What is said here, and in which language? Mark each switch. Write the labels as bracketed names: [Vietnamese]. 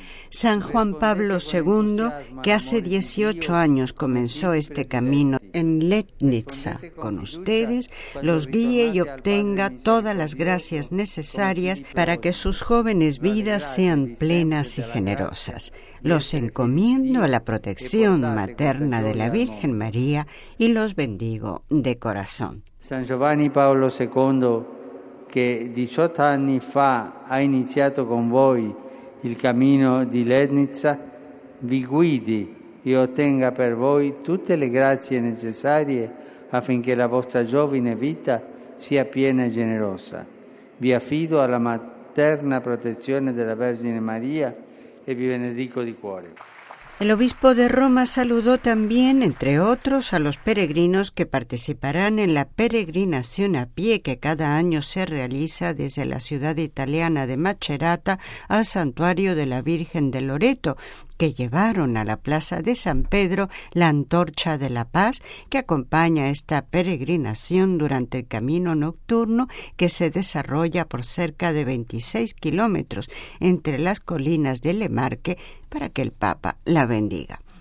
[Spanish] San Juan Pablo II, que hace 18 años comenzó este camino en Letnica con ustedes, los guíe y obtenga todas las gracias necesarias para que sus jóvenes vidas sean plenas y generosas. Los encomiendo a la protección materna de la Virgen María y los bendigo de corazón. [Italian] San Giovanni Paolo II, che 18 anni fa ha iniziato con voi il cammino di Letnica, vi guidi e ottenga per voi tutte le grazie necessarie affinché la vostra giovine vita sia piena e generosa. Vi affido alla materna protezione della Vergine Maria e vi benedico di cuore. [Spanish] El obispo de Roma saludó también, entre otros, a los peregrinos que participarán en la peregrinación a pie que cada año se realiza desde la ciudad italiana de Macerata al santuario de la Virgen de Loreto, que llevaron a la plaza de San Pedro la antorcha de la paz que acompaña esta peregrinación durante el camino nocturno que se desarrolla por cerca de 26 kilómetros entre las colinas de Lemarque para que el Papa la bendiga.